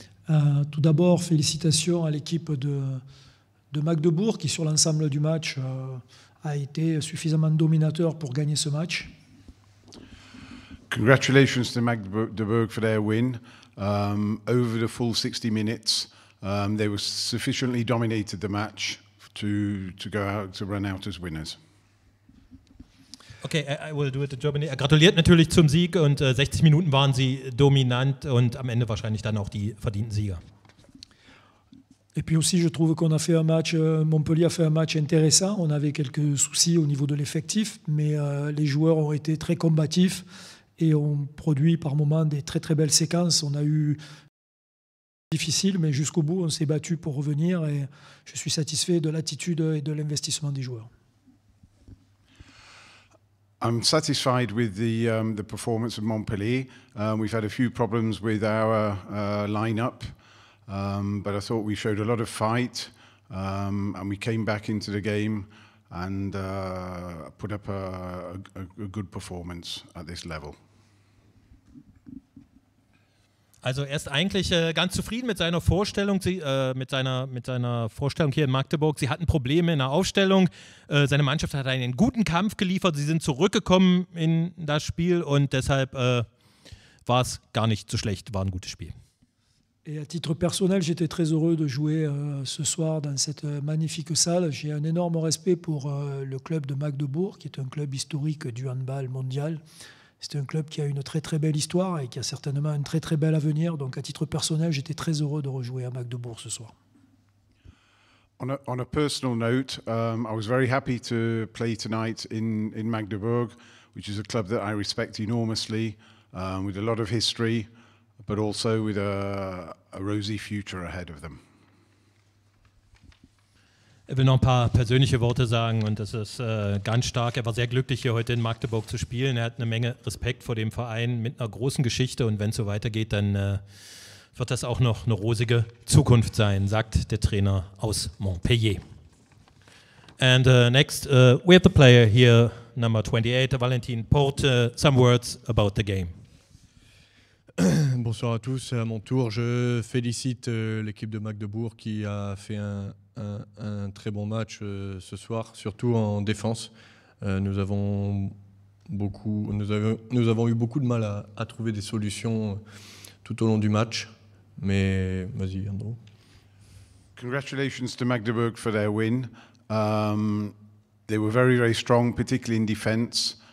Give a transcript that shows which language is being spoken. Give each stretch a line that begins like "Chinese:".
French: Tout d'abord, félicitations à l'équipe de Magdeburg qui, sur l'ensemble du match, a été suffisamment dominateur pour gagner ce match.
English: Congratulations to Magdeburg for their win. Over the full 60 minutes, they were sufficiently dominated the match to run out as winners. Okay, I will do it in Germany.
German: Er gratuliert natürlich zum Sieg und 60 Minuten waren sie dominant und am Ende wahrscheinlich dann auch die verdienten Sieger.
French: Et puis aussi, je trouve qu'on a fait un match, Montpellier a fait un match intéressant. On avait quelques soucis au niveau de l'effectif, mais les joueurs ont été très combatifs et ont produit par moments des très très belles séquences. On a eu difficile, mais jusqu'au bout, on s'est battu pour revenir et je suis satisfait de l'attitude et de l'investissement des joueurs.
English: I'm satisfied with the performance of Montpellier. We've had a few problems with our lineup. But I thought we showed a lot of fight and we came back into the game and put up a good performance at this level.
German: Also er ist eigentlich ganz zufrieden mit seiner Vorstellung, mit seiner Vorstellung hier in Magdeburg. Sie hatten Probleme in der Aufstellung. Seine Mannschaft hat einen guten Kampf geliefert. Sie sind zurückgekommen in das Spiel und deshalb war es gar nicht so schlecht. War ein gutes Spiel.
French: Et à titre personnel, j'étais très heureux de jouer ce soir dans cette magnifique salle. J'ai un énorme respect pour le club de Magdeburg, qui est un club historique du handball mondial. C'est un club qui a une très très belle histoire et qui a certainement un très très bel avenir. Donc à titre personnel, j'étais très heureux de rejouer à Magdeburg ce soir.
English: On a personal note, I was very happy to play tonight in Magdeburg, which is a club that I respect enormously, with a lot of history. But also with a rosy future ahead of them.
German: Er will noch ein paar persönliche Worte sagen und das ist ganz stark. Er war sehr glücklich, hier heute in Magdeburg zu spielen. Er hat eine Menge Respekt vor dem Verein mit einer großen Geschichte und wenn es so weitergeht, dann wird das auch noch eine rosige Zukunft sein, sagt der Trainer aus Montpellier.
English: And next, we have the player here, number 28, Valentin Port. Some words about the game.
French: Bonsoir à tous, à mon tour je félicite l'équipe de Magdeburg qui a fait un très bon match ce soir, surtout en défense. Nous avons eu beaucoup de mal à trouver des solutions tout au long du match, mais vas-y Andrew.
English: Congratulations to Magdeburg for their win. They were very very strong, particularly in defense.